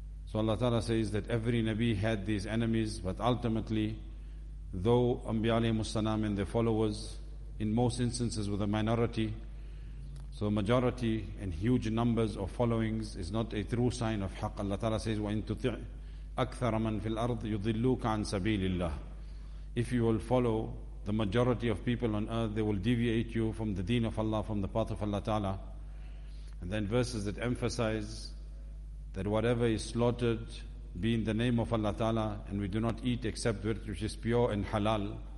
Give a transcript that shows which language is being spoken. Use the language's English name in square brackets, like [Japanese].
[English] So Allah Ta'ala says that every Nabi had these enemies, but ultimately, though Anbiya alayhimus salam and their followers, in most instances were the minority, so majority and huge numbers of followings is not a true sign of haqq. Allah Ta'ala says, [Arabic] وَإِن تُطِعْ أَكْثَرَ مَن فِي الْأَرْضِ يُضِلُّكَ عَن سَبِيلِ اللَّهِ. [English] If you will follow the majority of people on earth, they will deviate you from the deen of Allah, from the path of Allah Ta'ala. And then verses that emphasize that whatever is slaughtered be in the name of Allah Ta'ala, and we do not eat except that which is pure and halal.